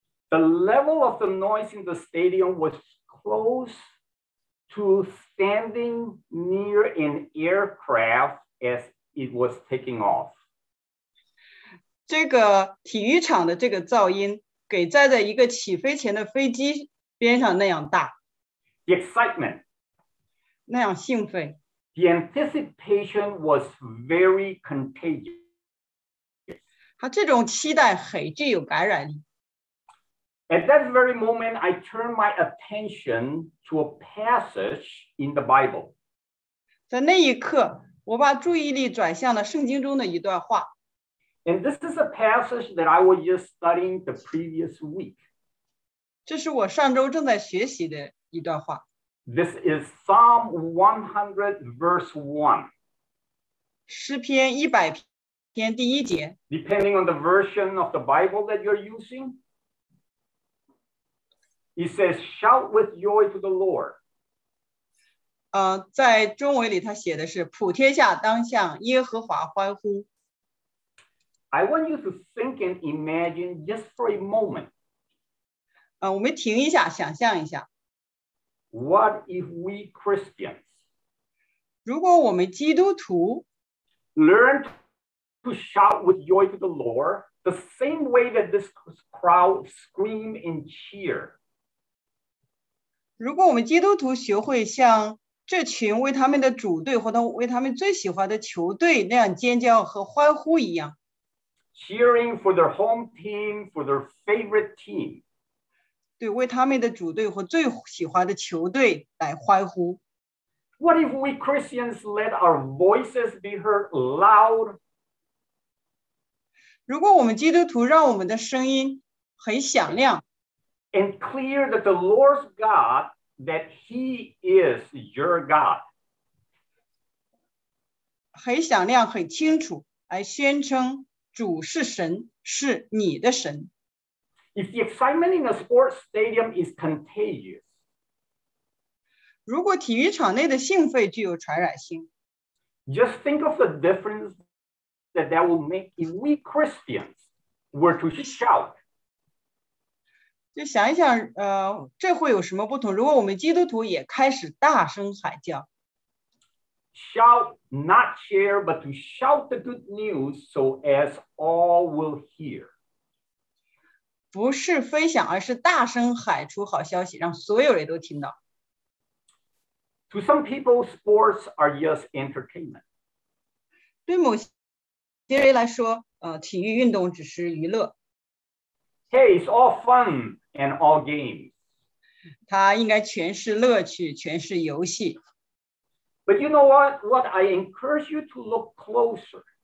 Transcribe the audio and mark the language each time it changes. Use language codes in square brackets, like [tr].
[en] The level of the noise in the stadium was close to standing near an aircraft as it was taking off. [zh] 这个体育场的这个噪音给站在一个起飞前的飞机边上那样大。 [en] The excitement. [zh] 那样兴奋。 [en] The anticipation was very contagious. [zh] 他这种期待很具有感染力。 [en] At that very moment, I turned my attention to a passage in the Bible. [zh] 在那一刻我把注意力转向了圣经中的一段话。 [en] And this is a passage that I was just studying the previous week. [zh] 这是我上周正在学习的一段话。 [en] This is Psalm 100, verse 1. [zh] 诗篇100篇第一节。 [en] Depending on the version of the Bible that you're using, it says, shout with joy to the Lord. [zh] 在中文里它写的是普天下当向耶和华欢呼。 [en] I want you to think and imagine just for a moment. [zh] 我们停一下，想象一下。 [en] What if we Christians? [zh] 如果我们基督徒 [en] learned to shout with joy to the Lord the same way that this crowd scream and cheer. [zh] 如果我们基督徒学会像这群为他们的主队或者为他们最喜欢的球队那样尖叫和欢呼一样。 [en] Cheering for their home team, for their favorite team. [zh] 对，为他们的主队或最喜欢的球队来欢呼。 [en] What if we Christians let our voices be heard loud? [zh] 如果我们基督徒让我们的声音很响亮。 [en] And clear that the Lord's God, that He is your God. [zh] 很响亮，很清楚，来宣称。主是神，是你的神。 [en] If the excitement in a sports stadium is contagious, [zh] 如果体育场内的兴奋具有传染性， [en] just think of the difference that that will make if we Christians were to shout. [zh] 就想一想，这会有什么不同？如果我们基督徒也开始大声喊叫。 [en] Shout, not cheer, but to shout the good news so as all will hear. [zh] 不是分享，而是大声喊出好消息，让所有人都听到。 [en] To some people, sports are just entertainment. [zh] 对某些人来说，体育运动只是娱乐。 [en] Hey, it's all fun and all games. [zh] 它应该全是乐趣，全是游戏。 [en] But you know what? What I encourage you to look closer.